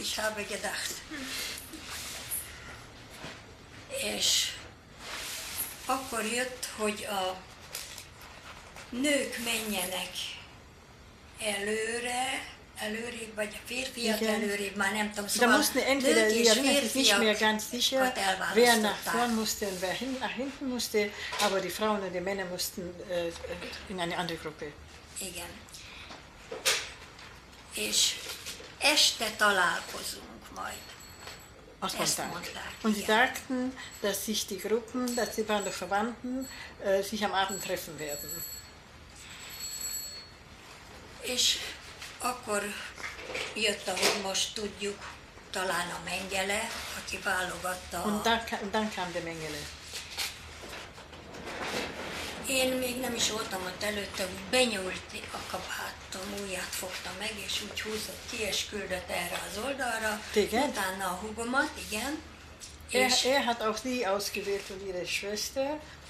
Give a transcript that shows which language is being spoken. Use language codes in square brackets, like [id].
[de] Ich habe gedacht. [hu] És akkor jött, hogy a nők menjenek előre, előrébb, vagy a férfiak előrébb, már nem tudom, szóval most [de] entweder, [hu] nők és férfiakat elválasztották. [de] Wer nach vorn musste und wer nach hinten musste, aber die Frauen und die Männer mussten in eine andere Gruppe. [hu] Igen. És este találkozunk majd. Azt mondták. [de] Und sie sagten, dass sich die Gruppen, dass sie waren die Verwandten, sich am Abend treffen werden. [hu] És akkor jött, ahogy most tudjuk, talán a Mengele, aki válogatta. [de] Und dann kam der Mengele. [hu] Én még nem is voltam ott előtte, úgy benyúlt a kabátom, ujját fogta meg, és úgy húzott ki, és küldött erre az oldalra. Igen? Utána a húgomat, igen. [de] Er hat auch sie ausgewählt und ihre Schwester.